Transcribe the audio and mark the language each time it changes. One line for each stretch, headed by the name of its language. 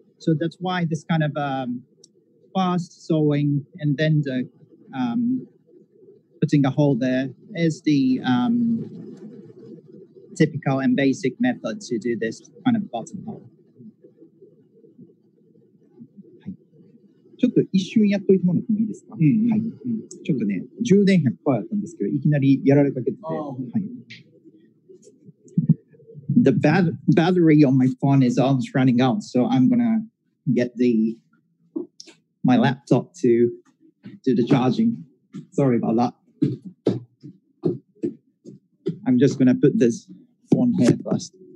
English: So that's why this kind of fast sewing and then the putting a hole there is the typical and basic method to do this kind of button hole.
Japanese: ちょっと一瞬やっといてもらってもいいですか、うんうんはいうん、ちょっとね、充電 100% だったんですけど、いきなりやられかけてて、
English: はい、The battery on my phone is almost running out, so I'm gonna get my laptop to do the charging. Sorry about that. I'm just gonna put this phone here first.